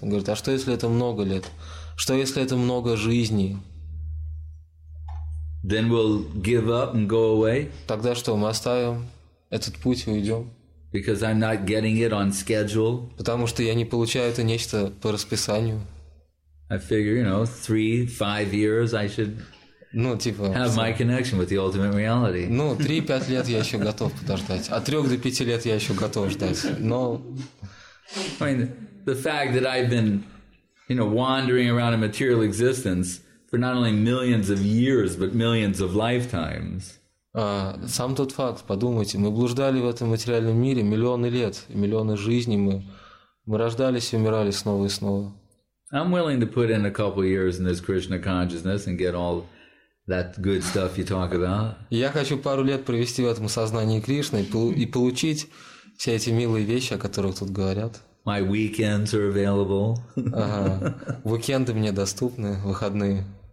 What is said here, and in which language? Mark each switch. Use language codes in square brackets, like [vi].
[ru] Он говорит, а что если это много лет? Что если это много жизней? [en] Then we'll give up and go away. [ru] Тогда что, мы оставим этот путь и уйдем? [en] Because I'm not getting it on schedule. [ru] Потому что я не получаю это нечто по расписанию. [en] I figure, you know, 3-5 years I should have my connection with the ultimate reality. [ru] Ну, 3-5 лет я еще готов подождать. От 3 до 5 лет я еще готов ждать. Но [en] I mean, the fact that I've been, you know, wandering around in material existence for not only millions of years, but millions of lifetimes. [ru] Сам тот факт, подумайте, мы блуждали в этом материальном мире миллионы лет, миллионы жизней мы рождались и умирали снова и снова. [en] I'm willing to put in a couple years in this Krishna consciousness and get all that good stuff you talk about. [ru] Я хочу пару лет провести в этом сознании Кришны и получить все эти милые вещи, о которых тут говорят. [en] My weekends are available. [ru] Уикенды мне доступны, выходные.